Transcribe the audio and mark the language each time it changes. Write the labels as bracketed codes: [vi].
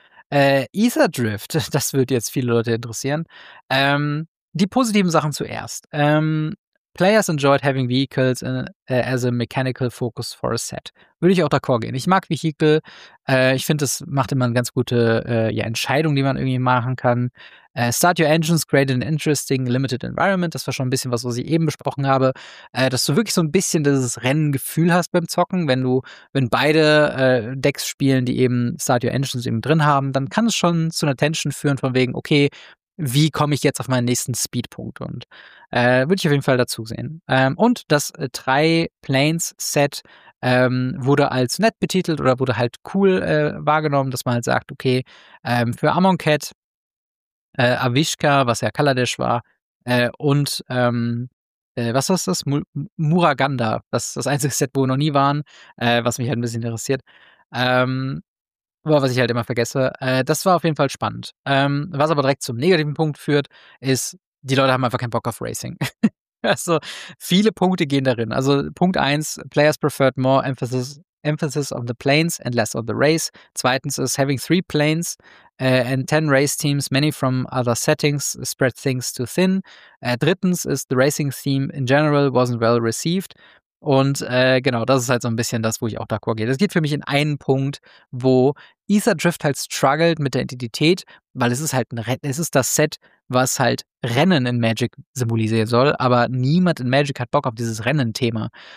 [de] Aether Drift, das wird jetzt viele Leute interessieren. Die positiven Sachen zuerst. [en] Players enjoyed having vehicles as a mechanical focus for a set. [de] Würde ich auch d'accord gehen. Ich mag Vehikel. Ich finde, das macht immer eine ganz gute Entscheidung, die man irgendwie machen kann. [en] Start your engines, create an interesting limited environment. [de] Das war schon ein bisschen was ich eben besprochen habe. Dass du wirklich so ein bisschen dieses Rennengefühl hast beim Zocken. Wenn beide Decks spielen, die eben Start your engines eben drin haben, dann kann es schon zu einer Tension führen von wegen, okay, wie komme ich jetzt auf meinen nächsten Speedpunkt? Und würde ich auf jeden Fall dazu sehen. Und das 3-Planes-Set wurde als nett betitelt oder wurde halt cool wahrgenommen, dass man halt sagt, okay, für Amonkhet, Avishka, was ja Kaladesh war, was war das? Muraganda, das ist das einzige Set, wo wir noch nie waren, was mich halt ein bisschen interessiert. Was ich halt immer vergesse, das war auf jeden Fall spannend. Was aber direkt zum negativen Punkt führt, ist, die Leute haben einfach keinen Bock auf Racing. Also viele Punkte gehen darin. Also Punkt 1, [en] players preferred more emphasis on the planes and less on the race. [de] Zweitens ist, [en] having 3 planes and 10 race teams, many from other settings, spread things too thin. [de] Drittens ist, [en] the racing theme in general wasn't well received. [de] Und genau, das ist halt so ein bisschen das, wo ich auch d'accord gehe. Das geht für mich in einen Punkt, wo Aether Drift halt struggelt mit der Identität, weil es ist halt das Set, was halt Rennen in Magic symbolisieren soll, aber niemand in Magic hat Bock auf dieses Rennen-Thema.